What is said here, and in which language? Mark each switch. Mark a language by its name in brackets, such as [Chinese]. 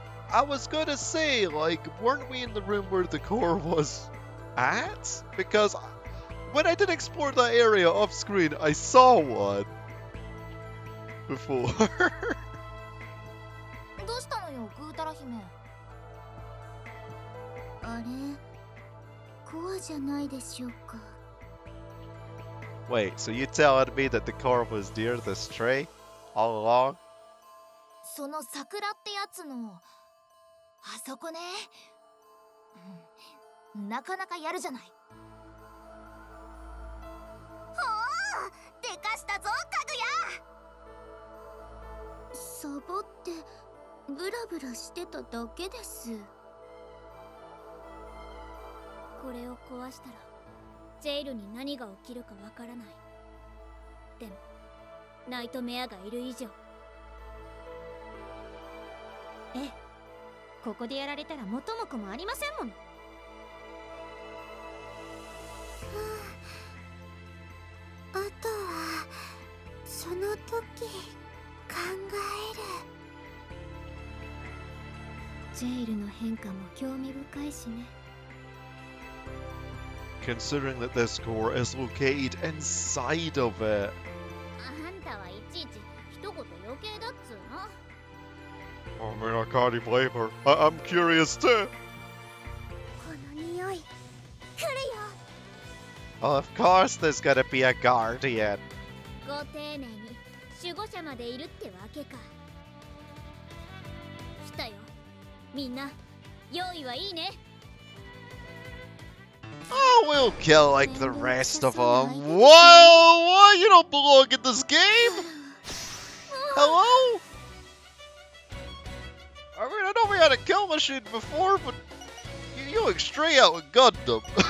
[English] I was gonna say, like, weren't we in the room where the core was at? Because... When I did explore that area off screen, I saw one before. [Japanese] どうしたのよ、グータラ姫。あれ、コアじゃないでしょうか。 [English] Wait, so you're telling me that the core was near this tree all along? [Japanese] その桜ってやつのあそこね。なかなかやるじゃない。でかしたぞ、かぐや。サボってブラブラしてただけです。これを壊したらジェイルに何が起きるかわからない。でもナイトメアがいる以上。ええ、ここでやられたら元も子もありませんもの。あとはその時考える。ジェイルの変化も興味深いしね。 [English] Considering that this core is located inside of it. [Japanese] あんたはいちいち一言余計だっつーの。 [English] I mean, I can't even blame her. I'm curious too. [Japanese] この匂い、来るよ。 [English] Well, of course there's gonna be a guardian. [Japanese] ご丁寧に守護者までいるってわけか。来たよ、みんな、用意はいいね。 [English] Oh, we'll kill like the rest of them. Whoa, what? You don't belong in this game? Hello? I mean, I know we had a kill machine before, but you look straight out and gunned them.